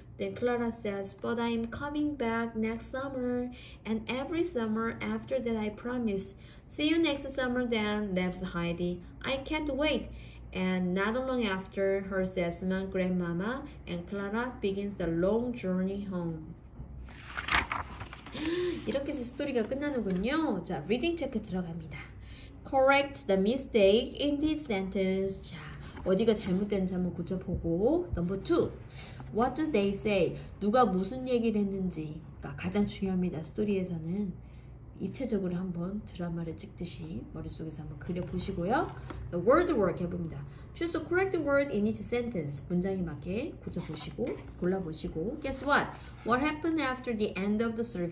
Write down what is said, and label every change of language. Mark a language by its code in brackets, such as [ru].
[en] Then Clara says, but I am coming back next summer and every summer after that I promise. See you next summer then, laughs Heidi. I can't wait. And not long after, her assessment, grandmama and Clara begins the long journey home. [ko] 이렇게 해서 스토리가 끝나는군요. 자, 리딩 체크 들어갑니다. [en] Correct the mistake in this sentence. [ko] 자, 어디가 잘못됐는지 한번 고쳐보고. [en] Number 2. What do they say? [ko] 누가 무슨 얘기를 했는지. 그러니까 가장 중요합니다. 스토리에서는 입체적으로 한번 드라마를 찍듯이 머릿속에서 한번 그려보시고요. [en] The word work [ko] 해봅니다. [en] Choose the correct word in each sentence. [ko] 문장에 맞게 고쳐보시고, 골라보시고. [en] Guess what? What happened after the end of the story?